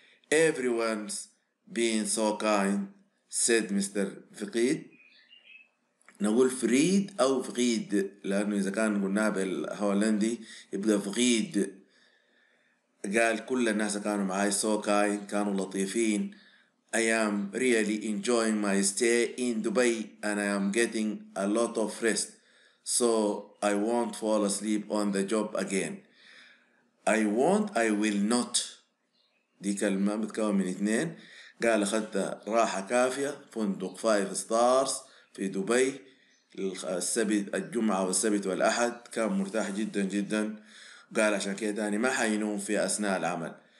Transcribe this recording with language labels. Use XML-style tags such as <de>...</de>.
<en>Everyone's been so kind، said Mr. فقيد.</en> <ar>نقول فريد أو فقيد، لأنه إذا كان قلناها بالهولندي يبدأ فقيد. قال كل الناس كانوا معاي</ar> <en>so kind،</en> <ar>كانوا لطيفين.</ar> <en>I am really enjoying my stay in Dubai and I am getting a lot of rest so I won't fall asleep on the job again. I won't، I will not،</en> <ar>دي كلمة متكون من اثنين. قال أخذت راحة كافية، فندق 5 stars في دبي السبت الجمعة والسبت والأحد، كان مرتاح جدا جدا. قال عشان كده أنا ما حينوم في أثناء العمل.</ar>